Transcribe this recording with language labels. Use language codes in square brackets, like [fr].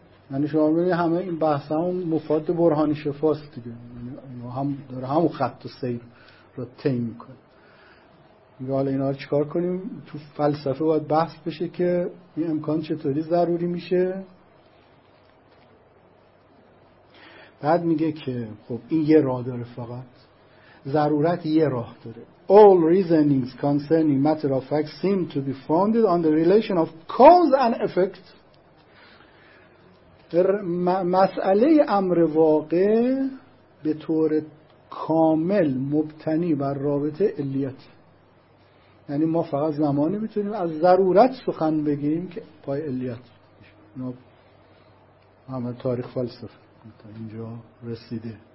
[fa] یعنی شما ببینید همه این بحث هم مفاد برهان شفاست دیگه، هم داره همون خط و سیر رو طی میکنه. حالا اینا رو چیکار کنیم؟ تو فلسفه باید بحث بشه که این امکان چطوری ضروری میشه. بعد میگه که خب این یه راه داره، فقط ضرورت یه راه داره. [en] All reasonings concerning matter of fact seem to be founded on the relation of cause and effect. [fa] مسئله امر واقع به طور کامل مبتنی بر رابطه علیت. یعنی ما فقط زمانی میتونیم از ضرورت سخن بگیم که پای علیت همه تاریخ فلسفه تا اینجا رسیده.